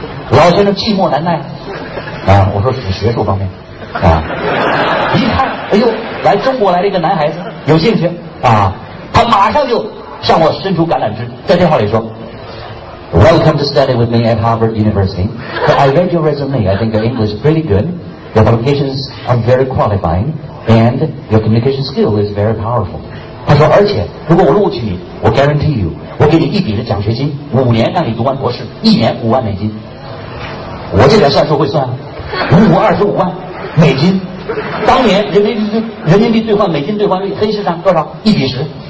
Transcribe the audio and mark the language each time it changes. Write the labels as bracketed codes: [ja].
[zh] 老先生寂寞难耐啊！我说是学术方面啊，一看，哎呦，来中国来了一个男孩子，有兴趣啊，他马上就向我伸出橄榄枝，在电话里说 ： [en] “Welcome to study with me at Harvard University. I read your resume. I think your English is pretty good. Your qualifications are very qualifying, and your communication skill is very powerful.” [zh] 他说：“而且如果我录取你，我 [en] guarantee you， [zh] 我给你一笔的奖学金，5年让你读完博士，1年$50,000。我这点算数会算，25万美金。当年人民币兑换美金兑换率黑市上多少？ 1:10。”